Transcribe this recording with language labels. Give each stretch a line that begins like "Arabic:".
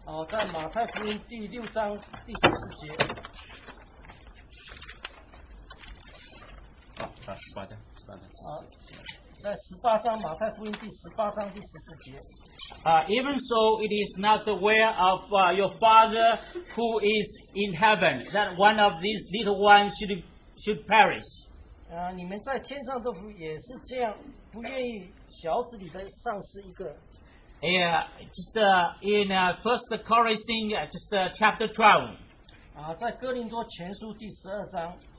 Chinese: 在马太福音第六章第十四节。在十八章马太福音第十八章第十四节。
English: Even so, it is not the will of your Father who is in heaven that one of these little ones should perish.
Chinese: 你们在天上都也是这样，不愿意小子里的丧失一个。
English: In First Corinthians chapter 12.
Chinese: 在哥林多前书第十二章。